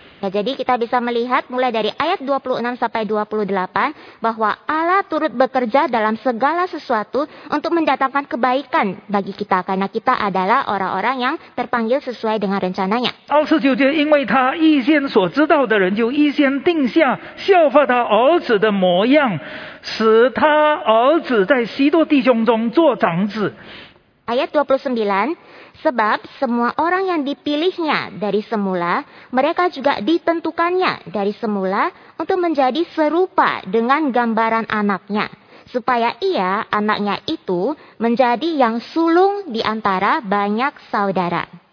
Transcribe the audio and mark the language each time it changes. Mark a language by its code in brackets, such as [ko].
[id] Ya, jadi kita bisa melihat mulai dari ayat 26-28 bahwa Allah turut bekerja dalam segala sesuatu untuk mendatangkan kebaikan bagi kita karena kita adalah orang-orang yang terpanggil sesuai dengan rencananya. [zh] 29节，因为他预先所知道的人，就预先定下效法他儿子的模样，使他儿子在许多弟兄中做长子。 [id] Ayat 29, sebab semua orang yang dipilihnya dari semula, mereka juga ditentukannya dari semula untuk menjadi serupa dengan gambaran anaknya. Supaya ia, anaknya itu, menjadi yang sulung di antara banyak saudara.